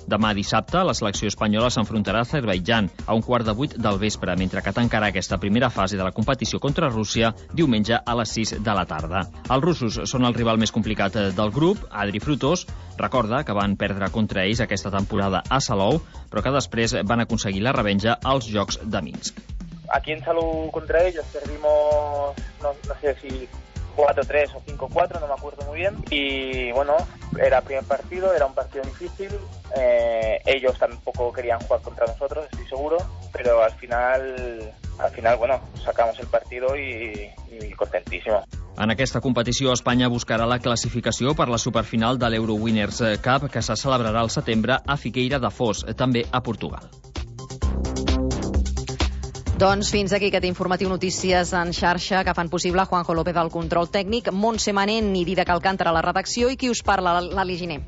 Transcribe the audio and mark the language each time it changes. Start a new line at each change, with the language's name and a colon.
Catalan: Demà dissabte, la selecció espanyola s'enfrontarà a Azerbaijan a un quart de vuit del vespre, mentre que tancarà aquesta primera fase de la competició contra Rússia diumenge a les 6 de la tarda. Els russos són el rival més complicat del grup. Adri Frutós recorda que van perdre contra ells aquesta temporada a Salou, però que després van aconseguir la revenja als Jocs de Minsk.
Spanish: Aquí en Salou contra ellos perdimos, no sé si 4-3 o 5-4, no me acuerdo muy bien. Y bueno, era primer partido, era un partido difícil. Ellos tampoco querían jugar contra nosotros, estoy seguro. Pero al final bueno, sacamos el partido y contentísimo.
Catalan: En aquesta competició, Espanya buscarà la classificació per la superfinal de l'Euro Winners Cup, que se celebrarà al setembre a Figueira da Foz, també a Portugal. Doncs fins aquí aquest informatiu Notícies en Xarxa, que fan possible Juanjo López al control tècnic, Montse Manent i Didac Alcántara a la redacció, i qui us parla, l'Ali Giné.